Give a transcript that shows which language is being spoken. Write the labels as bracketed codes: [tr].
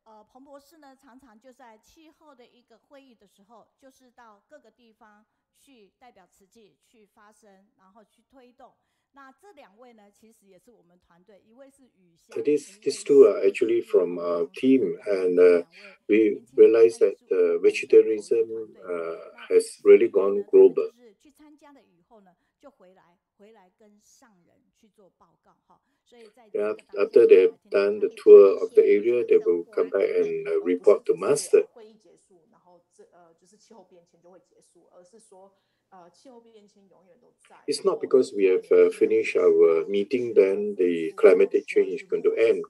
[zh] 彭博士呢，常常就在气候的一个会议的时候，就是到各个地方去代表慈济去发声，然后去推动。那这两位呢，其实也是我们团队，一位是雨霞。 [en] These two are actually from our team, and we realize that the vegetarianism has really gone global. [zh] 去参加了以后呢，就回来跟上人去做报告哈。 [en] After they have done the tour of the area, they will come back and report to Master. It's not because we have finished our meeting, then the climatic change is going to end.